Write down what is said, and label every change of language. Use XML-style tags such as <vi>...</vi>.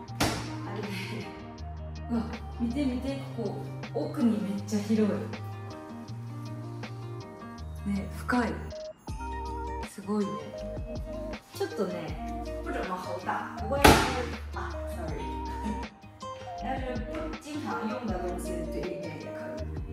<zh>这收纳柜儿，我收拾收拾柜儿。</zh> <ja>哎，哇，見て見て，奥にめっちゃ広い。ね、深い。すごいね。ちょっとね、</ja> <zh>不怎么好打。不过要是啊 ，sorry， 要是不经常用的东西，对里面也可以。</zh>